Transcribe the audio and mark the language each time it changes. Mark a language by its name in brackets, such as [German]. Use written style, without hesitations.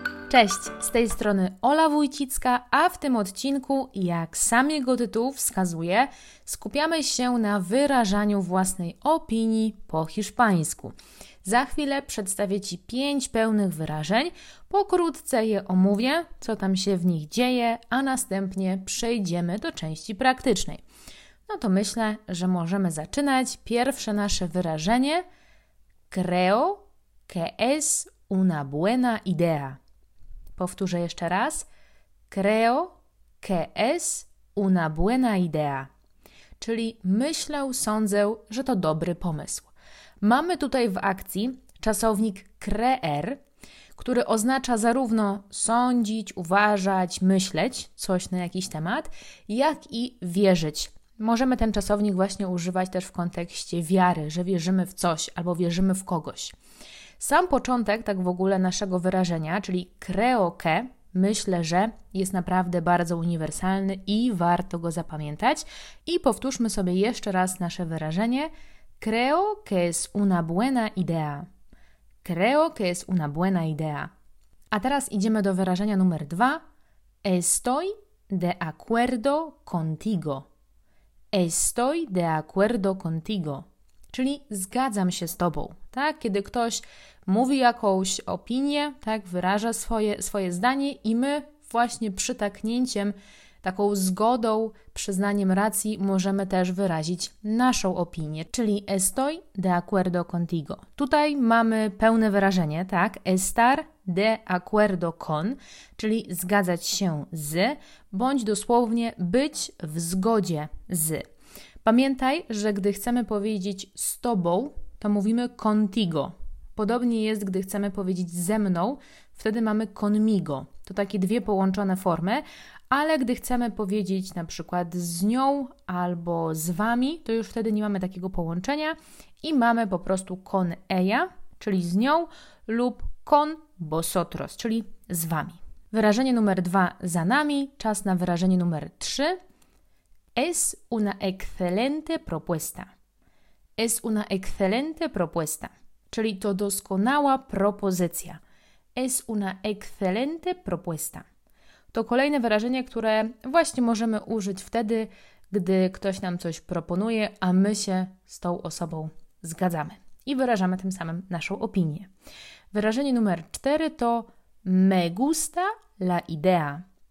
[Polish] Cześć, z tej strony Ola Wójcicka, a w tym odcinku, jak sam jego tytuł wskazuje, skupiamy się na wyrażaniu własnej opinii po hiszpańsku. Za chwilę przedstawię Ci 5 pełnych wyrażeń, pokrótce je omówię, co tam się w nich dzieje, a następnie przejdziemy do części praktycznej. No to myślę, że możemy zaczynać. Pierwsze nasze wyrażenie: [Spanish] Creo que es una buena idea. [Polish] Powtórzę jeszcze raz. [Spanish] Creo que es una buena idea. [Polish] Czyli myślę, sądzę, że to dobry pomysł. Mamy tutaj w akcji czasownik creer, który oznacza zarówno sądzić, uważać, myśleć coś na jakiś temat, jak i wierzyć. Możemy ten czasownik właśnie używać też w kontekście wiary, że wierzymy w coś albo wierzymy w kogoś. Sam początek tak w ogóle naszego wyrażenia, czyli [Spanish] creo que, [Polish] myślę, że jest naprawdę bardzo uniwersalny i warto go zapamiętać. I powtórzmy sobie jeszcze raz nasze wyrażenie. [Spanish] Creo que es una buena idea. Creo que es una buena idea. [Polish] A teraz idziemy do wyrażenia numer 2. [Spanish] Estoy de acuerdo contigo. Estoy de acuerdo contigo. [Polish] Czyli zgadzam się z Tobą, tak? Kiedy ktoś mówi jakąś opinię, tak? Wyraża swoje zdanie i my właśnie przytaknięciem, taką zgodą, przyznaniem racji możemy też wyrazić naszą opinię. Czyli [Spanish] estoy de acuerdo contigo. [Polish] Tutaj mamy pełne wyrażenie, tak? [Spanish] Estar de acuerdo con, [Polish] czyli zgadzać się z, bądź dosłownie być w zgodzie z. Pamiętaj, że gdy chcemy powiedzieć z Tobą, to mówimy contigo. Podobnie jest, gdy chcemy powiedzieć ze mną, wtedy mamy conmigo. To takie dwie połączone formy, ale gdy chcemy powiedzieć na przykład z nią albo z Wami, to już wtedy nie mamy takiego połączenia i mamy po prostu [Spanish] con ella, [Polish] czyli z nią, lub [Spanish] con vosotros, [Polish] czyli z Wami. Wyrażenie numer 2 za nami, czas na wyrażenie numer 3. [Spanish] Es una excelente propuesta. Es una excelente propuesta. [Polish] Czyli to doskonała propozycja. [Spanish] Es una excelente propuesta. [Polish] To kolejne wyrażenie, które właśnie możemy użyć wtedy, gdy ktoś nam coś proponuje, a my się z tą osobą zgadzamy. I wyrażamy tym samym naszą opinię. Wyrażenie numer 4 to [Spanish] me gusta la idea.